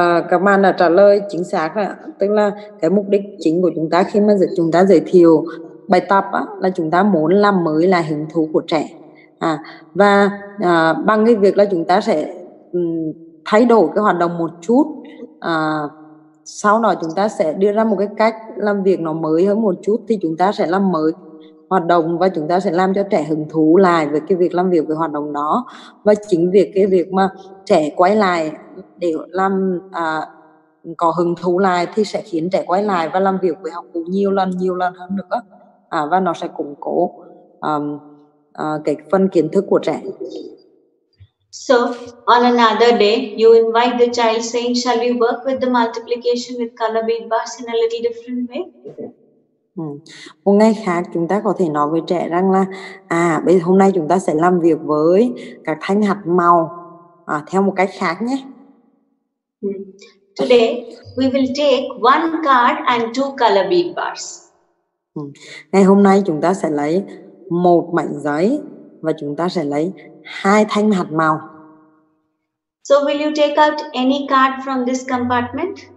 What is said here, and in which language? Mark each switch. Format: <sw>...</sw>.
<vi>Các bạn đã trả lời chính xác rồi, tức là cái mục đích chính của chúng ta khi mà chúng ta giới thiệu bài tập á, là chúng ta muốn làm mới là hứng thú của trẻ và bằng cái việc là chúng ta sẽ thay đổi cái hoạt động một chút, sau đó chúng ta sẽ đưa ra một cái cách làm việc nó mới hơn một chút, thì chúng ta sẽ làm mới hoạt động và chúng ta sẽ làm cho trẻ hứng thú lại với cái việc làm việc với hoạt động đó. Và chính việc cái việc mà trẻ quay lại để làm có hứng thú lại thì sẽ khiến trẻ quay lại và làm việc với học cụ nhiều lần hơn nữa. Và nó sẽ củng cố cái phần kiến thức của trẻ.</vi> <en>So, on another day, you invite the child saying, shall we work with the multiplication with color bead bars in a little different way?</en> <vi>Một ngày khác chúng ta có thể nói với trẻ rằng là bây giờ hôm nay chúng ta sẽ làm việc với các thanh hạt màu theo một cách khác nhé.</vi> <en>Today we will take one card and two color bead bars.</en> <vi>Ngày hôm nay chúng ta sẽ lấy một mảnh giấy và chúng ta sẽ lấy hai thanh hạt màu.</vi> <en>So will you take out any card from this compartment?</en>